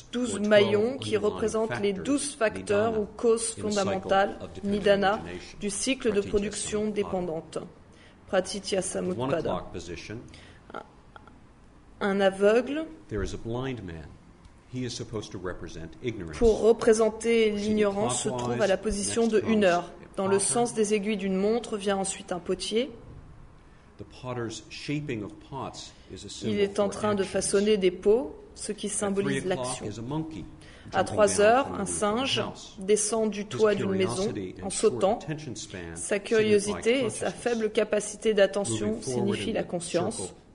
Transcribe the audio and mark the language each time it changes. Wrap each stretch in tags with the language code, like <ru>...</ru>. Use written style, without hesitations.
<fr>12 maillons qui représentent les 12 facteurs ou causes fondamentales, nidana, du cycle de production dépendante, pratitya samutpada. Un aveugle</fr> <en>there is a blind man. He is supposed to represent ignorance.</en> <fr>Pour représenter l'ignorance se trouve à la position de une heure. Dans le sens des aiguilles d'une montre vient ensuite un potier.</fr> <en>The potter's shaping of pots is a symbol</en> <fr>il est en train</fr> <en>actions.</en> <fr>De façonner des pots, ce qui symbolise l'action.</fr> <en>Is a monkey,</en> <fr>à 3 heures, un singe descend du toit d'une maison en sautant. Sa curiosité et sa faible capacité d'attention signifient la conscience.</fr>